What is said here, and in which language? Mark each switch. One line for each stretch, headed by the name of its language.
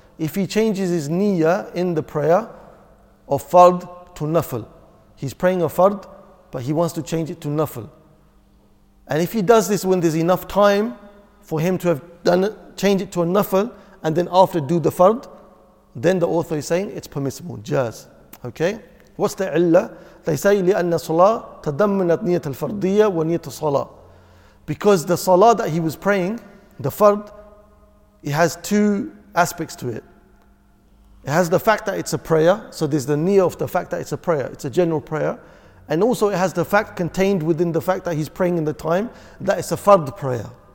English: If he changes his niyyah in the prayer of fard to nafl, he's praying a fard, but he wants to change it to nafl. And if he does this when there's enough time for him to have done it, change it to a nafl, and then after do the fard, then the author is saying it's permissible, jaz. Okay? What's the illah? They say,
Arabic: لِأَنَّ صَلَاةَ تَدَمَّنَتْ نِيَةَ الْفَرْضِيَّةَ وَنِيَةَ الصَّلَاةَ.
English: Because the salah that he was praying, the fard, it has two aspects to it. It has the fact that it's a prayer, so there's the niyyah of the fact that it's a prayer, it's a general prayer. And also it has the fact contained within the fact that he's praying in the time, that it's a fard prayer.